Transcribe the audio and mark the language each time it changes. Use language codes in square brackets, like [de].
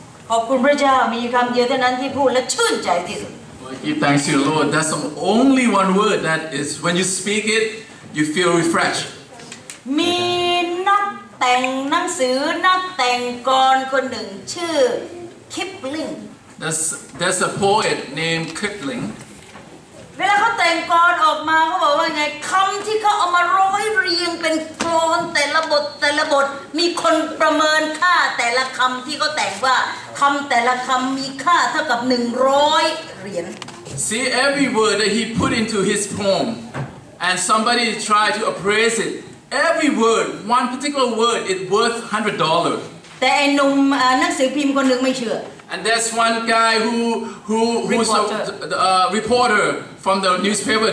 [th] ขอบคุณพระเจ้ามีคำเดียวเท่านั้นที่พูดและชื่นใจที่สุด [en] Give thanks to the Lord. That's the only one word that is when you speak it, you feel refreshed. [th] มีนักแต่งหนังสือนักแต่งกลอนคนหนึ่งชื่อ Kipling. [en] There's a poet named Kipling. [th] เวลาเขาแต่งกลอนออกมาเขาบอกว่าไงคำที่เขาเอามาร้อยเรียงเป็นกลอนแต่ละบทแต่ละบทมีคนประเมินค่าแต่ละคำที่เขาแต่งว่าคำแต่ละคำมีค่าเท่ากับ100เหรียญ [en] See every word that he put into his poem and somebody tried to appraise it every word one particular word is worth $100 [th] แต่ไอ้หนุ่มนักสือพิมพ์คนนึงไม่เชื่อ [en] And there's one guy who's a reporter from the newspaper.